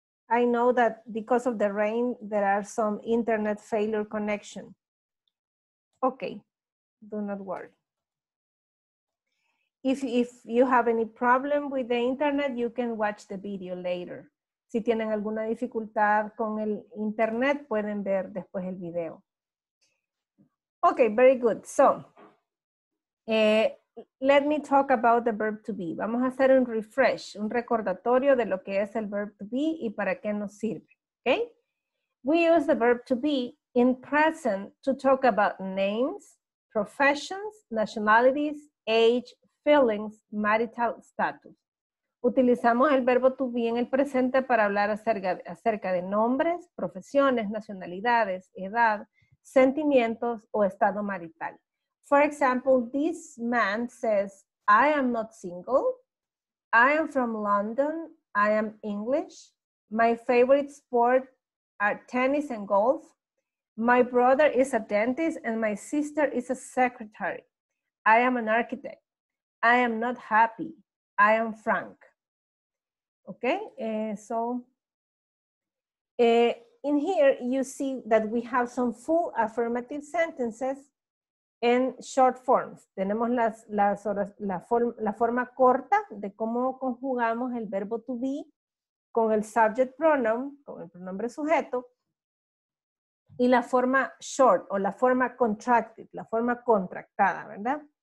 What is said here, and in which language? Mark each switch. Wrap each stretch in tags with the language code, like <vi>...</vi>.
<en>I know that because of the rain, there are some internet failure connection. Okay, do not worry. If you have any problem with the internet, you can watch the video later.</en> <es>Si tienen alguna dificultad con el internet, pueden ver después el video.</es> <en>Okay, very good. So, let me talk about the verb to be.</en> <es>Vamos a hacer un refresh, un recordatorio de lo que es el verb to be y para qué nos sirve. Okay?</es> <en>We use the verb to be in present to talk about names, professions, nationalities, age, feelings, marital status.</en> <es>Utilizamos el verbo to be en el presente para hablar acerca de nombres, profesiones, nacionalidades, edad, sentimientos o estado marital.</es> <en>For example, this man says, I am not single. I am from London. I am English. My favorite sport are tennis and golf. My brother is a dentist and my sister is a secretary. I am an architect. I am not happy. I am frank. Okay, so in here you see that we have some full affirmative sentences in short forms.</en> <es>Tenemos la forma corta de cómo conjugamos el verbo to be con el subject pronoun, con el pronombre sujeto, y la forma short o la forma contracted, la forma contractada, ¿verdad?</es>